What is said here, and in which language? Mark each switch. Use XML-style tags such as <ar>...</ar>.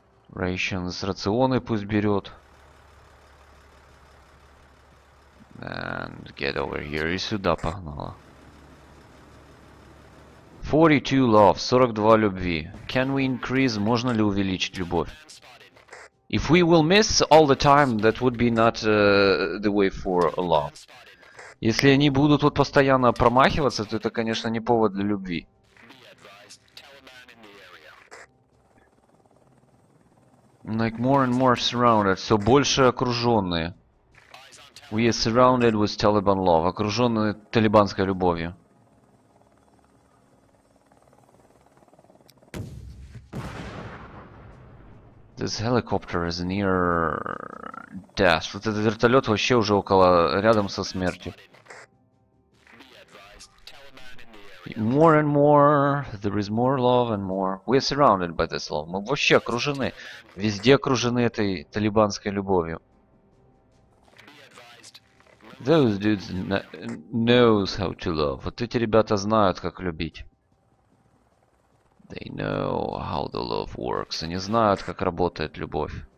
<ru>Rations, рационы пусть берет.</ru> <en>And get over here.</en> <ru>И сюда погнала.</ru> <en>42 love.</en> <ru>42 любви.</ru> <en>Can we increase?</en> <ru>Можно ли увеличить любовь?</ru> <en>If we will miss all the time, that would be not the way for love.</en> <ru>Если они будут вот постоянно промахиваться, то это, конечно, не повод для любви.</ru> <en>Like more and more surrounded.</en> <ru>Все больше окруженные.</ru> <en>We are surrounded with Taliban love.</en> <ru>Окружённые талибанской любовью.</ru> <en>This helicopter is near death.</en> <ru>Вот этот вертолёт вообще уже около, рядом со смертью.</ru> <en>More and more, there is more love and more. We are surrounded by this love.</en> <ru>Мы вообще окружены, везде окружены этой талибанской любовью.</ru> <en>Those dudes knows how to love.</en> <ru>Вот эти ребята знают, как любить.</ru> <en>They know how the love works.</en> <ru>Они знают, как работает любовь.</ru>